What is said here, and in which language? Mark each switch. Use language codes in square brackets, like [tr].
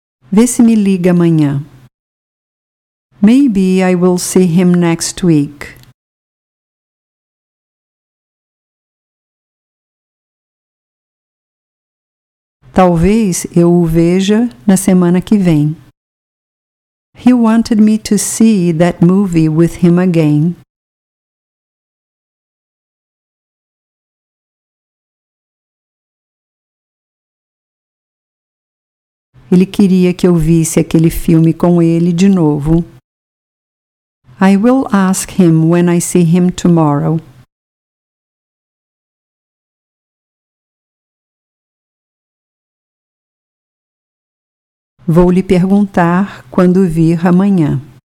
[pt] Vê se me liga amanhã. [en] Maybe I will see him next week. [pt] Talvez eu o veja na semana que vem. [en] He wanted me to see that movie with him again. [pt] Ele queria que eu visse aquele filme com ele de novo. [en] I will ask him when I see him tomorrow. [pt] Vou lhe perguntar quando vir amanhã.